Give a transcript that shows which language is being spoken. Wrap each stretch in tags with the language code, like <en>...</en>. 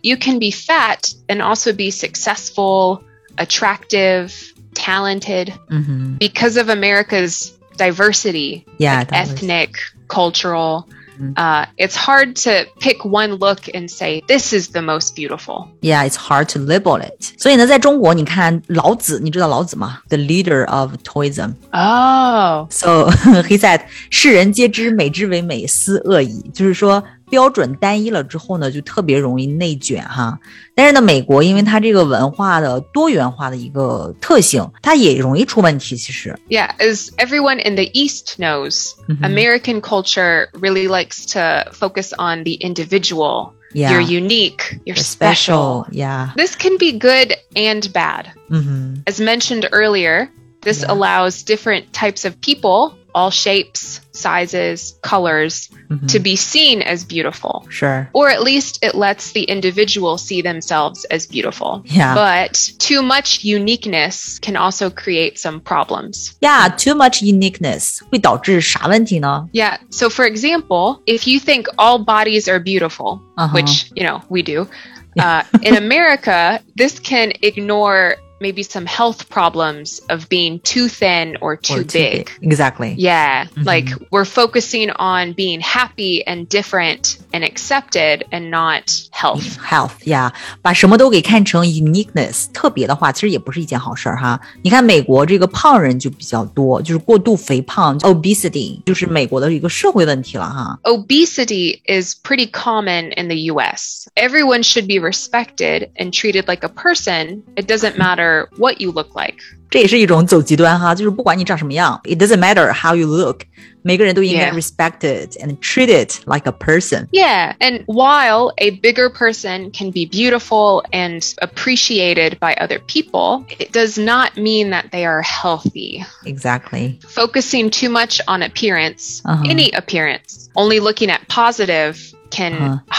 <en>You can be fat and also be successful, attractive, talented,、 mm-hmm. because of America's diversity, yeah, like ethnic, cultural,、mm-hmm. It's hard to pick one look and say, this is the most beautiful. Yeah, it's hard to label it.</en> <zh>所以呢在中国你看老子你知道老子吗</zh> <en>The leader of Taoism. Oh. So he said,</en> <zh>世人皆知美之为美斯恶已就是说标准单一了之后呢就特别容易内卷哈。但是呢美国因为它这个文化的多元化的一个特性它也容易出问题其实。</zh> <en>Yeah, as everyone in the East knows,、 mm-hmm. American culture really likes to focus on the individual. Yeah. You're unique, you're special. Yeah. This can be good and bad.、 Mm-hmm. As mentioned earlier, this、yeah. allows different types of people,all shapes, sizes, colors,、 mm-hmm. to be seen as beautiful. Sure. Or at least it lets the individual see themselves as beautiful. Yeah. But too much uniqueness can also create some problems. Yeah, too much uniqueness</en> <zh>会导致啥问题呢?</zh> <en>Yeah, so for example, if you think all bodies are beautiful,、 uh-huh. which, you know, we do,、in America, this can ignore... maybe some health problems of being too thin or too big. Exactly. Yeah.、Mm-hmm. Like we're focusing on being happy and different and accepted and not health. Health, yeah.</en> <zh>把什么都给看成 uniqueness, 特别的话其实也不是一件好事哈。你看美国这个胖人就比较多就是过度肥胖 obesity, 就是美国的一个社会问题了哈。</zh> <en>Obesity is pretty common in the US. Everyone should be respected and treated like a person. It doesn't matter. What you look like.</en> <zh>这也是一种走极端哈，就是不管你长什么样</zh> <en>It doesn't matter how you look.</en> <zh>每个人都应该 respected、</zh> <en>yeah. and treated like a person. Yeah, and while a bigger person can be beautiful and appreciated by other people, it does not mean that they are healthy. Exactly. Focusing too much on appearance,、 uh-huh. any appearance, only looking at positive can、uh-huh.</en>